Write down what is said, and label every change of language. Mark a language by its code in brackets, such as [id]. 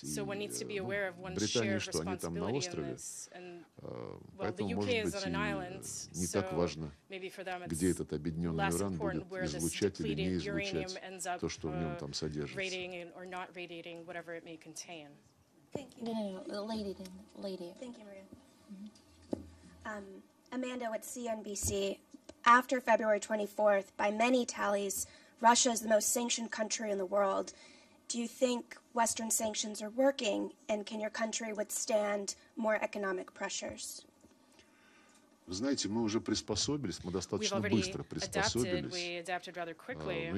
[ru] Британия, что они там на острове, поэтому, может быть, не так важно, где этот объединенный уран будет излучать или не излучать то, что в нем там содержится. [en] Amanda with CNBC. After February 24th, by many tallies, Russia is the most sanctioned country in the world. Do you think Western sanctions are working, and can your country withstand more economic pressures? [ru] Вы знаете, мы уже приспособились, мы достаточно быстро приспособились.